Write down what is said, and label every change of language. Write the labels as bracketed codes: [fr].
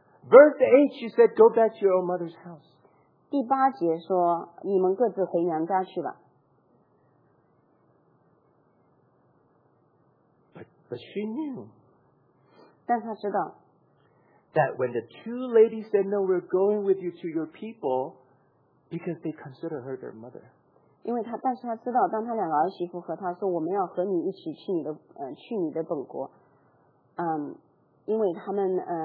[en] Verse 8, she said, "Go back to your own mother's house." [zh] 第八节说你们各自回娘家去吧。 [en] But she knew. [zh] 但他知道 [en] that when the two ladies said no, we're going with you to your people, because they consider her their mother. [zh] 因为他，但是他知道，当他两个儿媳妇和他说我们要和你一起去你的本国，因为他们